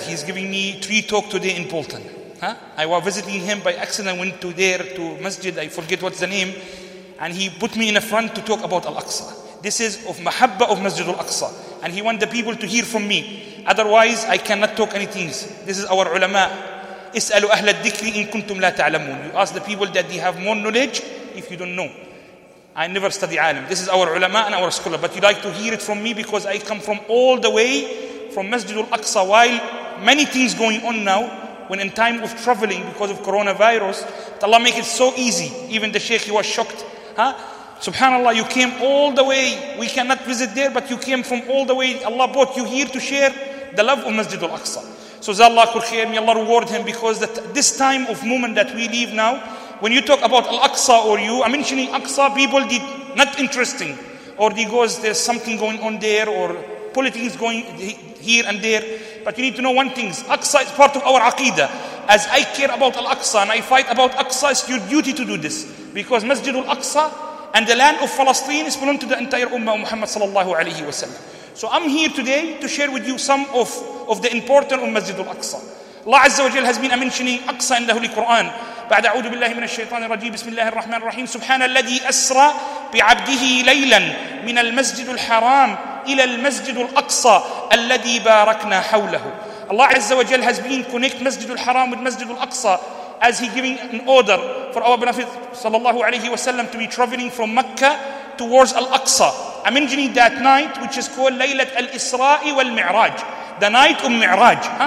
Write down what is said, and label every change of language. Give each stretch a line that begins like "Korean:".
English: He's giving me 3 talks today in Bolton. I was visiting him by accident, went to there to masjid, I forget what's the name, and he put me in the front to talk about Al-Aqsa. This is of mahabba of Masjid Al-Aqsa, and he want the people to hear from me. Otherwise, I cannot talk anything. This is our ulama.
Arabic: اسألوا أهل الذكر إن كنتم لا تعلمون.
English: You ask the people that they have more knowledge if you don't know. I never study alim. This is our ulama and our scholar. But you like to hear it from me because I come from all the way from Masjid Al-Aqsa. While many things going on now, when in time of traveling because of coronavirus, but Allah make it so easy. Even the Sheikh, he was shocked. Subhanallah, you came all the way. We cannot visit there, but you came from all the way. Allah brought you here to share the love of Masjid Al-Aqsa. So Zallah Kul Khair, may Allah reward him, because that this time of moment that we leave now, when you talk about Al-Aqsa or you are mentioning Aqsa, people did not interesting, or because there's something going on there, or politics going here and there. But you need to know one thing, Aqsa is part of our Aqidah. As I care about Al-Aqsa and I fight about Aqsa, it's your duty to do this. Because Masjid Al-Aqsa and the land of Palestine is belong to the entire Ummah of Muhammad Sallallahu Alaihi Wasallam. So I'm here today to share with you some of the importance of Masjid Al-Aqsa. Allah Azza wa Jal has been mentioning Aqsa in the Holy Quran.
Arabic: بعد أعوذ بالله من الشيطان الرجيم بسم الله الرحمن الرحيم سبحان الذي أسرى بعبده ليلا من المسجد الحرام إلى المسجد الأقصى الذي باركنا حوله.
English: Allah Azza wa Jal has been connecting Masjid al-Haram with Masjid al-Aqsa as he giving an order for our Prophet sallallahu alayhi wa sallam to be traveling from Mecca towards al-Aqsa. I'm mentioning that night which is called Laylat al-Isra'i wal-Mi'raj, the night of Mi'raj.